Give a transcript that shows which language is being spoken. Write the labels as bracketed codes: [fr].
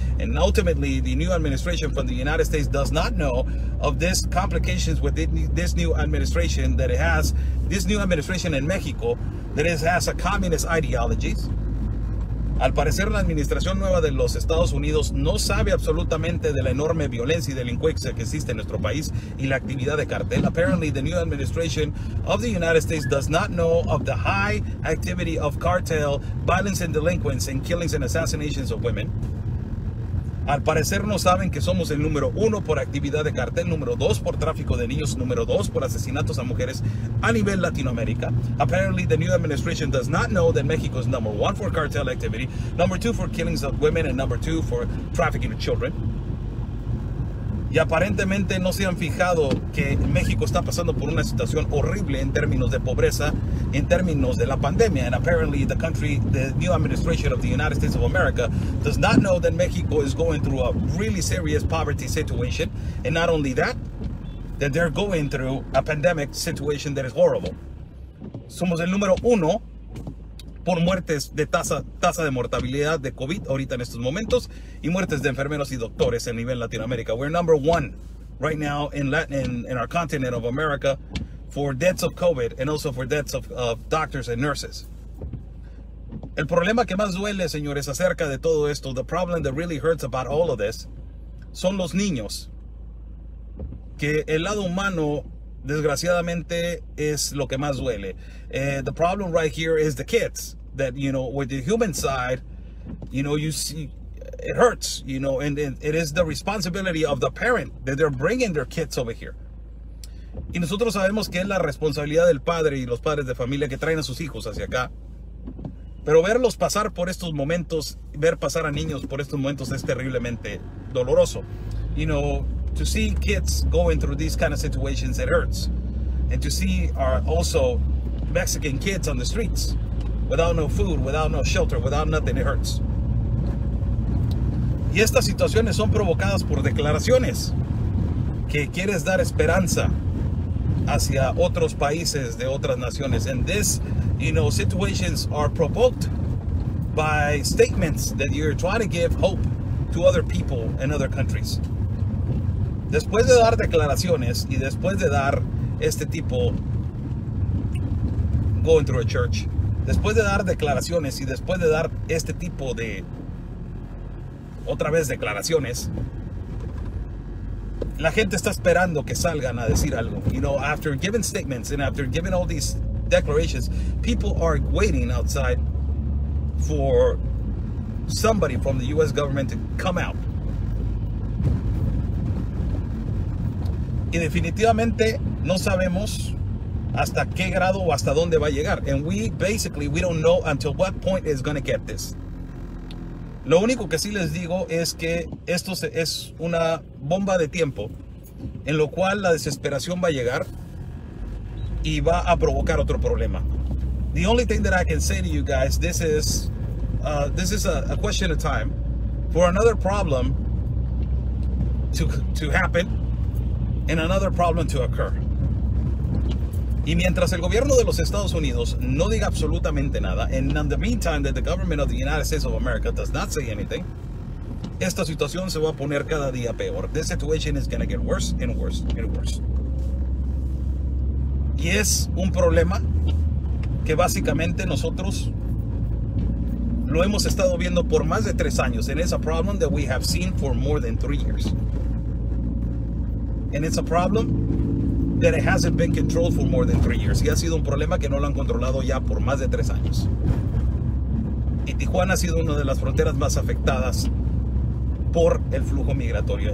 [en] And ultimately, the new administration from the United States does not know of these complications with this new administration that it has, this new administration in Mexico that it has a communist ideologies. [es] Al parecer, la administración nueva de los Estados Unidos no sabe absolutamente de la enorme violencia y delincuencia que existe en nuestro país y la actividad de cartel. [en] Apparently, the new administration of the United States does not know of the high activity of cartel, violence and delinquency, and killings and assassinations of women. [es] Al parecer, no saben que somos el número uno por actividad de cartel, número dos por tráfico de niños, número dos por asesinatos a mujeres a nivel Latinoamérica. [en] Apparently, the new administration does not know that Mexico is number one for cartel activity, number two for killings of women, and number two for trafficking of children. [es] Y aparentemente no se han fijado que México está pasando por una situación horrible en términos de pobreza, en términos de la pandemia. [en] And apparently the country, the new administration of the United States of America, does not know that Mexico is going through a really serious poverty situation. And not only that, that they're going through a pandemic situation that is horrible. [es] Somos el número uno por muertes de tasa de mortalidad de COVID ahorita en estos momentos y muertes de enfermeros y doctores en nivel Latinoamérica. [en] We're number one right now in our continent of America for deaths of COVID and also for deaths of doctors and nurses. [es] El problema que más duele, señores, acerca de todo esto, [en] the problem that really hurts about all of this, [es] son los niños. Que el lado humano, desgraciadamente, es lo que más duele. [en] The problem right here is the kids. That, you know, with the human side, you know, you see, it hurts, you know, and it is the responsibility of the parent that they're bringing their kids over here. [es] Y nosotros sabemos que es la responsabilidad del padre y los padres de familia que traen a sus hijos hacia acá. Pero verlos pasar por estos momentos, ver pasar a niños por estos momentos es terriblemente doloroso. [en] You know, to see kids going through these kind of situations, it hurts. And to see our also Mexican kids on the streets without no food, without no shelter, without nothing, it hurts. [es] Y estas situaciones son provocadas por declaraciones que quieres dar esperanza hacia otros países de otras naciones. [en] And this, you know, situations are provoked by statements that you're trying to give hope to other people in other countries. [es] Después de dar declaraciones y después de dar este tipo [en] going through a church, [es] después de dar declaraciones y después de dar este tipo de otra vez declaraciones, la gente está esperando que salgan a decir algo. [en] You know, after giving statements and after giving all these declarations, people are waiting outside for somebody from the U.S. government to come out. [es] Y definitivamente no sabemos hasta qué grado o hasta dónde va a llegar. [en] And we basically, we don't know until what point is going to get this. [es] Lo único que sí les digo es que esto es una bomba de tiempo en lo cual la desesperación va a llegar y va a provocar otro problema. [en] The only thing that I can say to you guys, this is a question of time for another problem to happen and another problem to occur. [es] Y mientras el gobierno de los Estados Unidos no diga absolutamente nada, [en] and in the meantime that the government of the United States of America does not say anything, [es] esta situación se va a poner cada día peor. [en] This situation is going to get worse and worse and worse. [es] Y es un problema que básicamente nosotros lo hemos estado viendo por más de 3 años. [en] And it's a problem that we have seen for more than 3 years. And it's a problem that it hasn't been controlled for more than 3 years. [es] Y ha sido un problema que no lo han controlado ya por más de 3 años. Y Tijuana ha sido una de las fronteras más afectadas por el flujo migratorio.